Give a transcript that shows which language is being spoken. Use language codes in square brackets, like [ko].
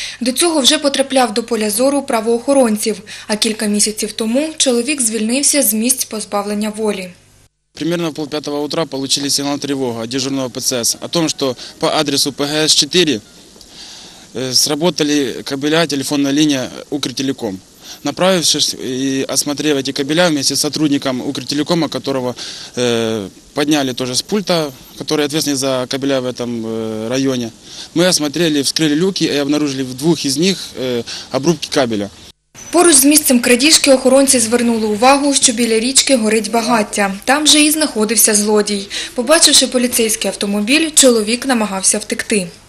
[uk] До цього вже потрапляв до поля зору правоохоронців, а кілька місяців тому чоловік звільнився з місць позбавлення волі. [ru] Примерно в 4:30 утра [uk] отримали сигнал тривоги від [ru] дежурного ПЦС о том, що по адресу ПГС-4 сработали кабеля, [uk] телефонна лінія [ru] «Укртелеком». Направившись и осмотрев эти кабеля вместе с сотрудником Укртелекома, которого подняли тоже с пульта, который ответственен за кабеля в этом районе, мы осмотрели, вскрыли люки и обнаружили в двух из них обрубки кабеля. [uk] Поруч з місцем крадіжки охоронці звернули увагу, що біля річки горить багаття. Там же і знаходився злодій. Побачивши поліцейський автомобіль, чоловік намагався втекти.